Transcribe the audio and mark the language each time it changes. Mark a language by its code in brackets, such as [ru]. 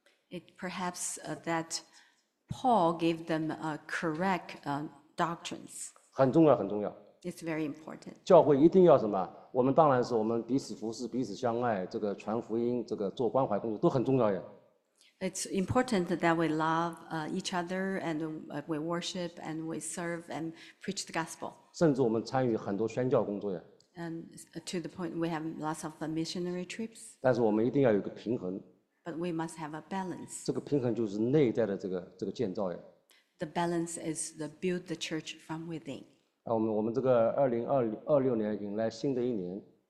[en] It perhaps that Paul gave them a correct doctrines. [zh] 很重要，很重要。 [en] It's very important. [zh] 教会一定要什么？我们当然是我们彼此服侍、彼此相爱，这个传福音、这个做关怀工作都很重要呀。 [en] It's important that we love each other and we worship and we serve and preach the gospel. [zh] 甚至我们参与很多宣教工作呀。 [en] And to the point, we have lots of missionary trips. [zh] 但是我们一定要有一个平衡。 [en] But we must have a balance. [zh] 这个平衡就是内在的这个建造呀。 [en] The balance is the build the church from within. [zh] 我们这个2026年迎来新的一年。